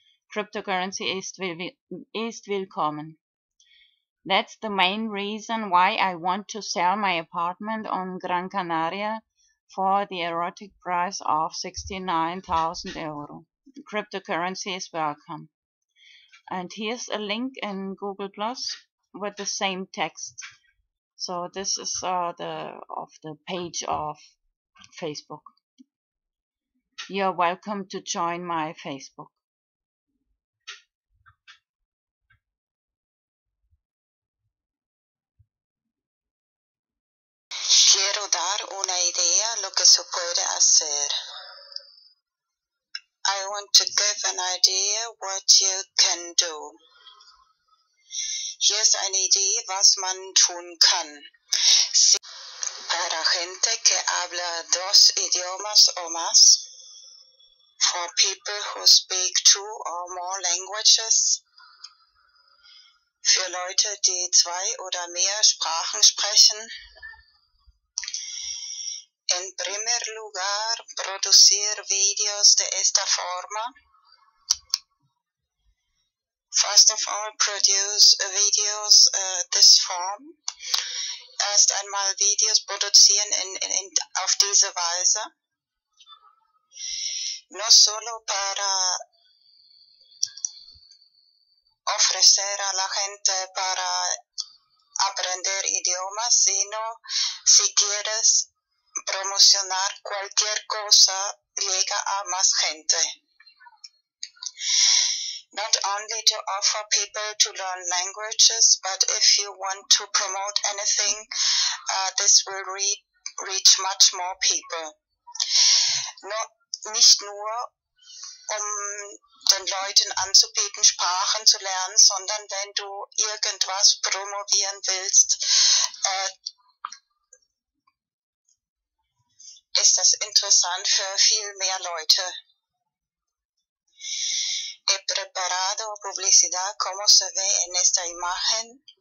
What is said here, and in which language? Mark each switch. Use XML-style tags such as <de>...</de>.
<de>Cryptocurrency ist willkommen.</de> <en>That's the main reason why I want to sell my apartment on Gran Canaria for the erotic price of 69.000 euro. Cryptocurrency is welcome. And here's a link in Google Plus with the same text. So this is the page of Facebook. You're welcome to join my Facebook.</en> <es>Quiero dar una idea lo que se puede hacer.</es> <en>I want to give an idea what you can do.</en> <de>Hier ist eine Idee, was man tun kann.</de> <es>Si para gente que habla dos idiomas o más,</es> <en>for people who speak two or more languages,</en> <de>für Leute, die zwei oder mehr Sprachen sprechen,</de> <es>en primer lugar, producir videos de esta forma.</es> <en>First of all, produce videos this form.</en> <de>Erst einmal Videos produzieren in auf diese Weise.</de> <es>No solo para ofrecer a la gente para aprender idiomas, sino si quieres promocionar cualquier cosa llega a más gente.</es> <en>Not only to offer people to learn languages, but if you want to promote anything, this will reach much more people.</en> <de>No, nicht nur, um den Leuten anzubieten, Sprachen zu lernen, sondern wenn du irgendwas promovieren willst, ist das interessant für viel mehr Leute.</de> <es>He preparado publicidad como se ve en esta imagen.</es>